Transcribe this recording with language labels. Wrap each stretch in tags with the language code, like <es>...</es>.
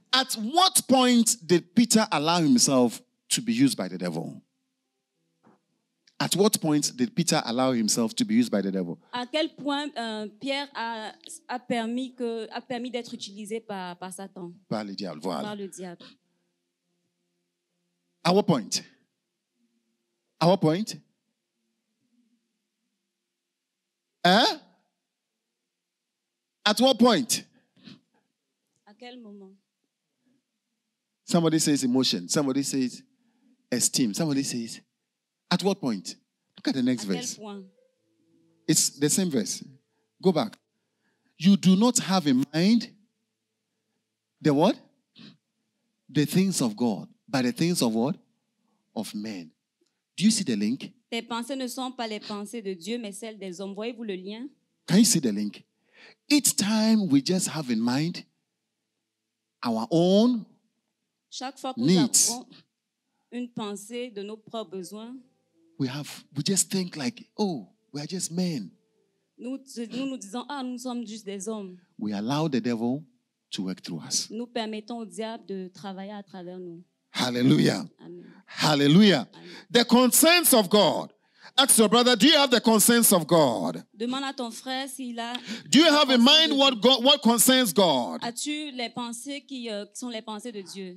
<en>At what point did Peter allow himself to be used by the devil? At what point did Peter allow himself to be used by the devil?</en> <fr>À quel point Pierre a permis d'être utilisé par Satan? Par le diable, voilà. Par le diable.</fr> <en>Our point?</en> <fr>Hein?</fr> <en>At what point?</en> <fr>À quel moment?</fr> <en>Somebody says emotion. Somebody says esteem. Somebody says, at what point? Look at the next verse. It's the same verse. Go back. You do not have in mind the what? The things of God, but the things of what? Of men. Do you see the link?</en> <fr>Tes pensées ne sont pas les pensées de Dieu, mais celles des hommes. Voyez-vous le lien?</fr> <en>Can you see the link? Each time we just have in mind our own needs,</en> <fr>une pensée de nos propres besoins.</fr> <en>We just think like, oh, we are just men.</en> <fr>Nous disons, ah, nous sommes juste des hommes.</fr> <en>We allow the devil to work through us.</en> <fr>Nous permettons au diable de travailler à travers nous.</fr> <en>Hallelujah. Amen. Hallelujah. Amen. The consents of God. Ask your brother, do you have the consents of God?</en> <fr>Demande à ton frère s'il a.</fr> <en>Do you have in mind what God, what concerns God?</en> <fr>As-tu les pensées qui sont les pensées de Dieu?</fr>